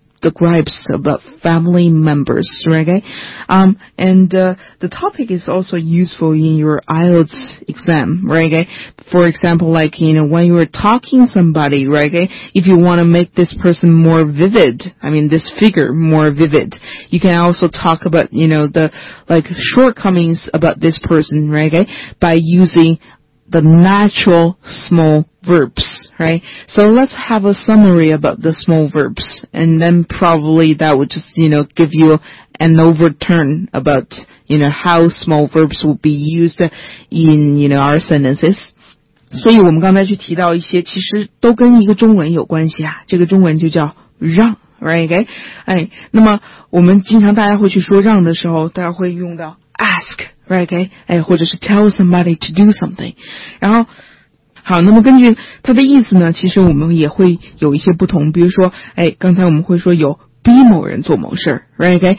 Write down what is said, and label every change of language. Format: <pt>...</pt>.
<en>The gripes about family members, right? The topic is also useful in your IELTS exam, right? For example, like, you know, when you're talking somebody, right? If you want to make this person more vivid, I mean, this figure more vivid, you can also talk about, you know, the, like, shortcomings about this person, right? By using the natural small verbs. Right? So let's have a summary about the small verbs, and then probably that would just, you know, give you an overturn about, you know, how small verbs will be used in, you know, our sentences.</en> <zh>所以我们刚才去提到一些其实都跟一个中文有关系啊，这个中文就叫让 ,right? Okay? 哎，那么我们经常大家会去说让的时候，大家会用到 ask, right? Okay?</zh> <en>哎，</en> <zh>或者是</zh> <en>tell somebody to do something.</en> <zh>然后好，那么根据他的意思呢，其实我们也会有一些不同，比如说，哎，刚才我们会说有逼某人做某事 ,right?</zh>